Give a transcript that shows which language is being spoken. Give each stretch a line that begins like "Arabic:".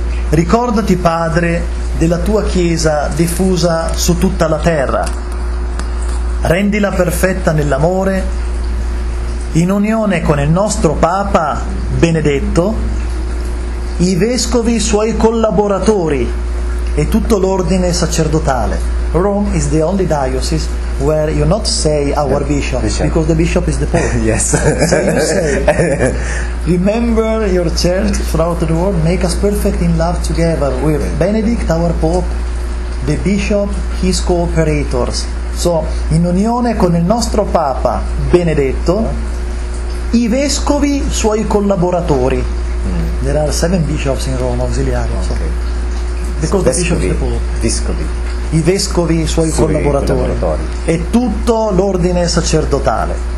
Italian: Ricordati, Padre, della tua Chiesa diffusa su tutta la terra. Rendila perfetta nell'amore, in unione con il nostro Papa Benedetto, i Vescovi suoi collaboratori e tutto l'ordine sacerdotale.
English: Rome is the only diocese where you not say our bishop. Because the bishop is the Pope. Yes. So you say, remember your church throughout the world, make us perfect in love together with Benedict, our Pope, the Bishop, his cooperators.
Italian: So, in unione con il nostro Papa Benedetto, i Vescovi suoi collaboratori.
English: Mm. There are 7 bishops in Rome, auxiliary. Okay. So. Because the bishop is the Pope.
Italian: Vescovi. I vescovi, i suoi collaboratori e tutto l'ordine sacerdotale.